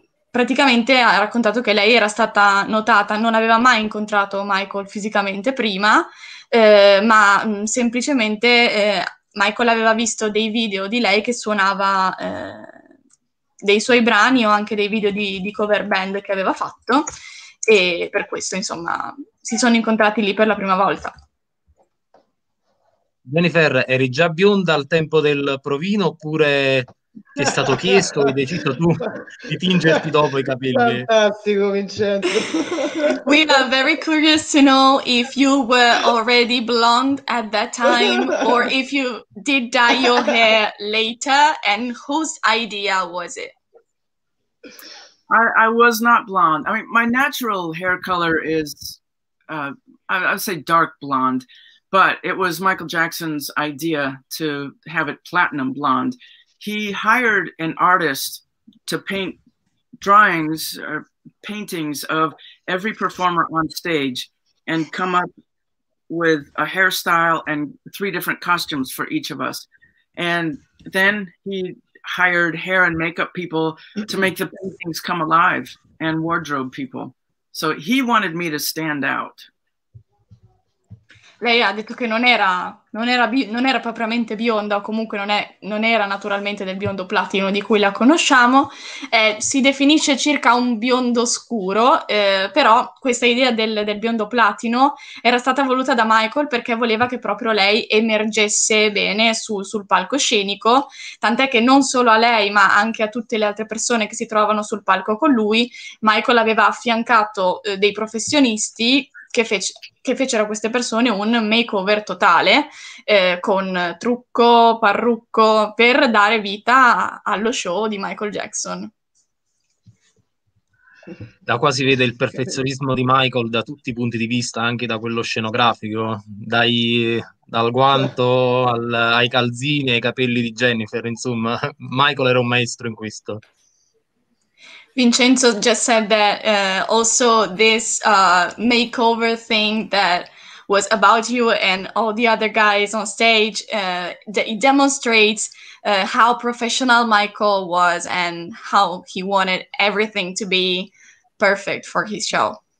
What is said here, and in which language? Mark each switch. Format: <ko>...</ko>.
<it>Praticamente ha raccontato che lei era stata notata, non aveva mai incontrato Michael fisicamente prima, ma semplicemente Michael aveva visto dei video di lei che suonava dei suoi brani o anche dei video di cover band che aveva fatto e per questo insomma si sono incontrati lì per la prima volta. Jennifer, eri già bionda al tempo del provino oppure ti è stato chiesto e hai deciso tu di tingerti dopo i capelli? Fantastico, Vincenzo.</it> <en>We are very curious to know if you were already blonde at that time or if you did dye your hair later and whose idea was it? I was not blonde. I mean, my natural hair color is, I would say dark blonde, But it was Michael Jackson's idea to have it platinum blonde. He hired an artist to paint drawings or paintings of every performer on stage and come up with a hairstyle and three different costumes for each of us. And then he hired hair and makeup people to make the paintings come alive and wardrobe people. So he wanted me to stand out.</en> <it>Lei ha detto che non era propriamente bionda, o comunque non era naturalmente del biondo platino di cui la conosciamo. Si definisce circa un biondo scuro, però questa idea del biondo platino era stata voluta da Michael perché voleva che proprio lei emergesse bene sul palcoscenico, tant'è che non solo a lei ma anche a tutte le altre persone che si trovano sul palco con lui, Michael aveva affiancato dei professionisti che fecero a queste persone un makeover totale, con trucco, parrucco, per dare vita allo show di Michael Jackson. Da qua si vede il perfezionismo di Michael da tutti i punti di vista, anche da quello scenografico, dal guanto ai calzini, ai capelli di Jennifer, insomma, Michael era un maestro in questo.</it> <en>Vincenzo just said that also this makeover thing that was about you and all the other guys on stage, it demonstrates how professional Michael was and how he wanted everything to be perfect for his show.</en>